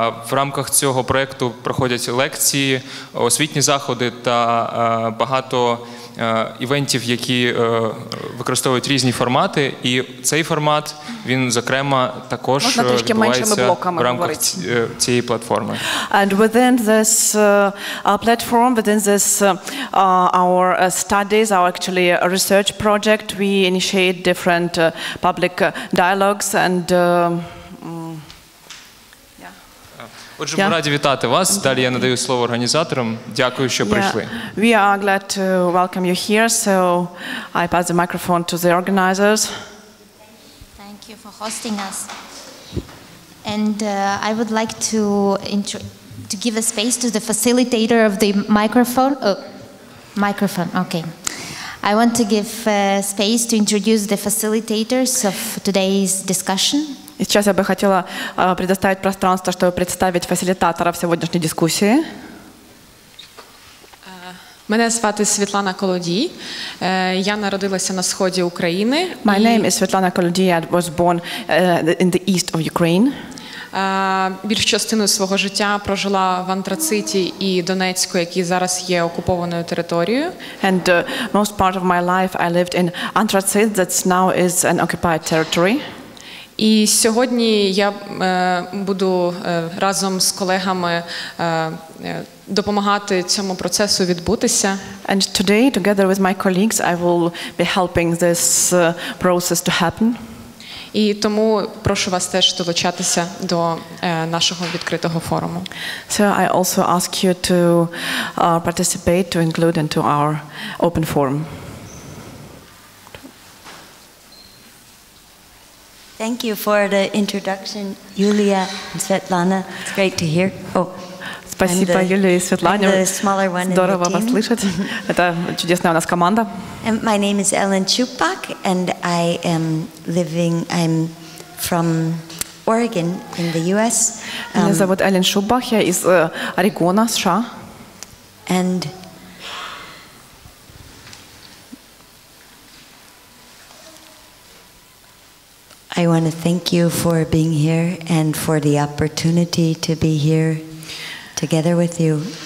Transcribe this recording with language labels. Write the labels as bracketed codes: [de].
[uk] В рамках цього проекту проходять лекції, освітні заходи та багато івентів, які використовують різні формати, і цей формат, він, зокрема, також відбувається в рамках цієї платформи. [en] And within this platform, within this our studies, our actually research project, we initiate different public dialogues and [uk] Отже, ми раді вітати вас. Далі я надаю слово організаторам. Дякую, що прийшли. [en] We are glad to welcome you here, so I pass the microphone to the organizers. Thank you for hosting us. And I would like to give a space to the facilitator of the microphone. Microphone, okay. I want to give space to introduce the facilitators of today's discussion. [ru] И сейчас я бы хотела предоставить пространство, чтобы представить фасилитаторов сегодняшней дискуссии. [uk] Мене звати Світлана Колодій. Я народилася на сході України. [en] My name is Svetlana Kolodiy. I was born in the east of Ukraine. [uk] Більшу частину свого життя прожила в Антрациті і Донецьку, які зараз є окупованою територією. [en] And most part of my life I lived in Antracite, that now is an occupied territory. [uk] І сьогодні я буду разом з колегами допомагати цьому процесу відбутися. [en] And today, together with my colleagues, I will be helping this process to happen. [uk] І тому прошу вас теж долучатися до нашого відкритого форуму. [en] So I also ask you to participate, to include into our open forum. Thank you for the introduction, Yulia and Svetlana. It's great to hear. [ru] Oh, спасибо, Юлія і Світлана. [en] The smaller one. [ru] Здорово вас слышать. Это чудесная у нас команда. [en] And my name is Ellen Chupak, and I'm from Oregon in the U.S. [ru] Меня зовут Ален Шубах, я из Орегона, США. [en] And I want to thank you for being here and for the opportunity to be here together with you.